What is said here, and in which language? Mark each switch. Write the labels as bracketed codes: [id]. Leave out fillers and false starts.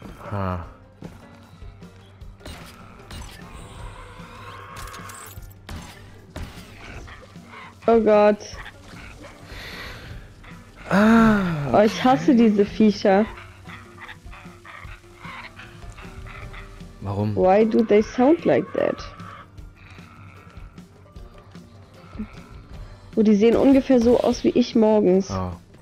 [de] Ha. Oh Gott. Ah, okay. Oh, ich hasse diese Viecher. Warum? [en] Why do they sound like that? [de] Oh, die sehen ungefähr so aus wie ich morgens. Oh.